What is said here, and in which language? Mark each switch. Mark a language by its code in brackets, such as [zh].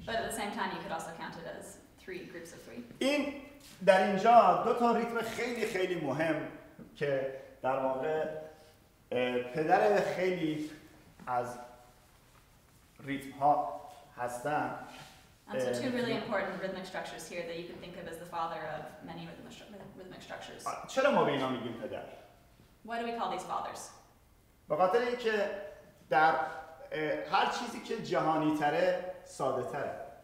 [en] but at the same time you could also count it as 3 groups of 3 [fa] این در اینجا دو تا ریتم خیلی خیلی مهم که در واقع پدر خیلی از ریتم ها هستن. [en] And so two really important rhythmic structures here that you can think of as the father of many rhythmic structures. [fa] چرا ما به اینا میگیم پدر؟ [en] Why do we call these fathers? [fa] به خاطر اینکه در هر چیزی که جهانی تره ساده تره.